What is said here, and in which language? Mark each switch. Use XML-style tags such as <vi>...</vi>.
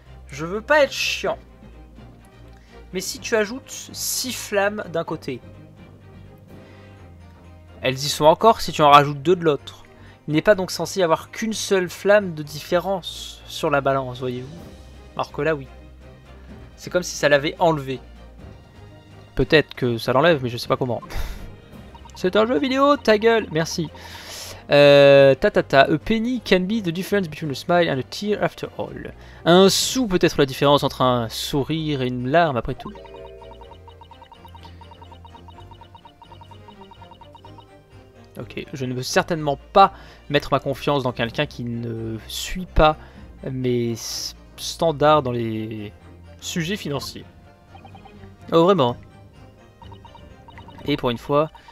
<fr>Je veux pas être chiant, mais si tu ajoutes 6 flammes d'un côté, elles y sont encore si tu en rajoutes 2 de l'autre. Il n'est pas donc censé y avoir qu'une seule flamme de différence sur la balance, voyez-vous? Alors que là, oui. C'est comme si ça l'avait enlevé. Peut-être que ça l'enlève, mais je sais pas comment. C'est un jeu vidéo, ta gueule! Merci.</fr> <en>A penny can be the difference between a smile and a tear after all.</en> <fr>Un sou peut être la différence entre un sourire et une larme après tout. Ok, je ne veux certainement pas mettre ma confiance dans quelqu'un qui ne suit pas mes standards dans les sujets financiers. Oh vraiment? Et pour une fois...</fr>